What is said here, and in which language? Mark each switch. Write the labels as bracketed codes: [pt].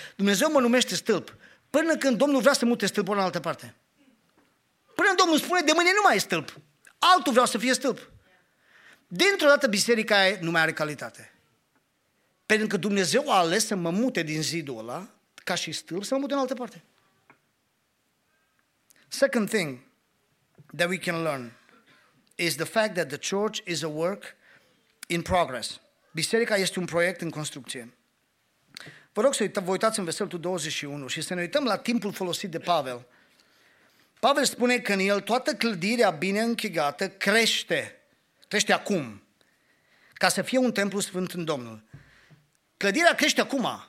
[ro] Dumnezeu mă numește stâlp. Până când Domnul vrea să mute stâlpul în altă parte. Până Domnul spune, de mâine nu mai e stâlp. Altul vreau să fie stâlp. Dintr-o dată biserica aia nu mai are calitate. Pentru că Dumnezeu a ales să mă mute din zidul ăla, ca și stâlp, să mă mute în altă parte. [en] Second thing that we can learn is the fact that the church is a work in progress. [ro] Biserica este un proiect în construcție. Vă rog să vă uitați în versetul 21 și să ne uităm la timpul folosit de Pavel. Pavel spune că în el toată clădirea bine închegată crește, crește acum, ca să fie un templu sfânt în Domnul. Clădirea crește acum.